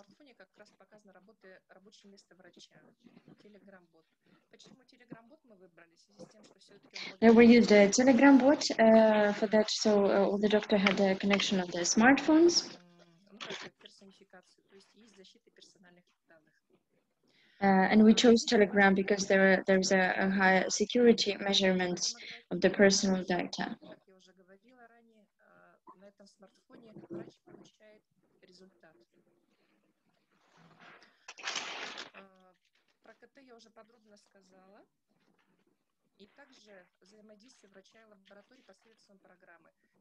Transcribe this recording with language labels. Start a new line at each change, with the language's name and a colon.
Russian: На смартфоне как раз показано рабочее место врача. Telegram-бот. Почему Telegram-бот мы выбрали? В связи с тем, что все-таки...
English: We used a Telegram bot for that, so the doctor had a connection on the smartphones.
Russian: То есть есть защита персональных данных.
English: And we chose Telegram because there's a higher security measurements of the personal data.
Russian: Как я уже говорила ранее, на этом смартфоне врач получает результат. Про КТ я уже подробно сказала. И также взаимодействие врача и лаборатории посредством программы.